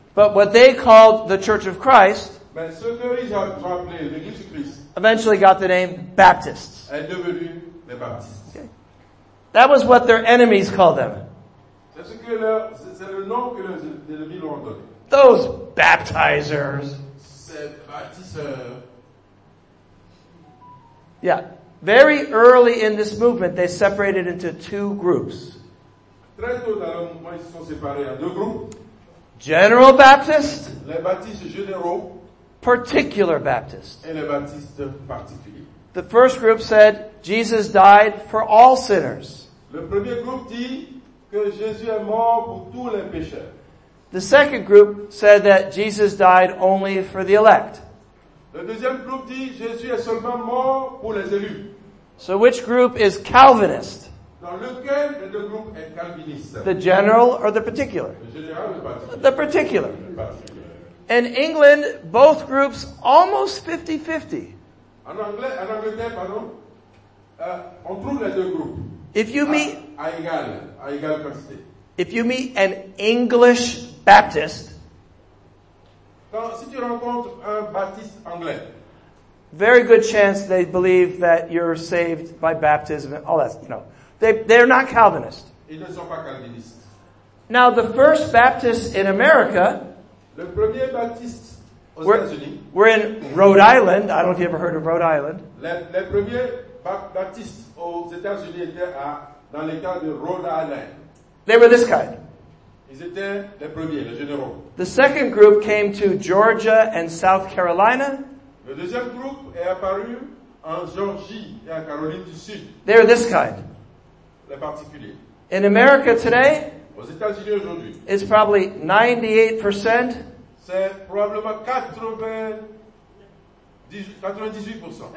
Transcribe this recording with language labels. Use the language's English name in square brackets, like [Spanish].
[English] But what they called the Church of Christ, [French] mais ce que ils ont appelé l'Église du Christ, [English] eventually got the name Baptists. [French] Est devenu les Baptistes. Okay. [English] That was what their enemies called them. [French] C'est le nom que les ennemis leur ont donné. [English] Those baptizers. [French] Ces baptiseurs. Yeah. [English] Very early in this movement, they separated into two groups. [French] Très tôt dans le mouvement, ils se sont séparés en deux groupes. [English] General Baptist. [French] Les Baptistes généraux. [English] Particular Baptist. [French] Et les Baptistes particuliers. [English] The first group said Jesus died for all sinners. [French] Le premier groupe dit que Jésus est mort pour tous les pécheurs. [English] The second group said that Jesus died only for the elect. [French] Le deuxième groupe dit Jésus est seulement mort pour les élus. [English] So which group is Calvinist? [French] Dans lequel des deux groupes est calviniste? [English] The general or the particular? [French] Le général ou le particulier? [English] The particular. In England, both groups almost 50-50. [French] En Angleterre, on trouve les deux groupes. [English] If you meet [French] à égal quantité. [English] If you meet an English Baptist, [French] si tu rencontres un baptiste anglais, [English] very good chance they believe that you're saved by baptism and all that, you know. They're not Calvinist. [French] Ils ne sont pas calvinistes. [English] Now, the first Baptists in America, [French] le premier baptiste aux États-Unis, [English] were in Rhode Island. I don't know if you ever heard of Rhode Island. [French] Les premiers baptistes aux États-Unis étaient dans l'état de Rhode Island. [English] They were this kind. [French] Ils étaient les premiers, les généraux. [English] The second group came to Georgia and South Carolina. [French] Le deuxième groupe est apparu en Georgie et en Caroline du Sud. [English] They were this kind. In America today, [French] aux États-Unis aujourd'hui, [English] it's probably 98%. [French] C'est probablement 98%.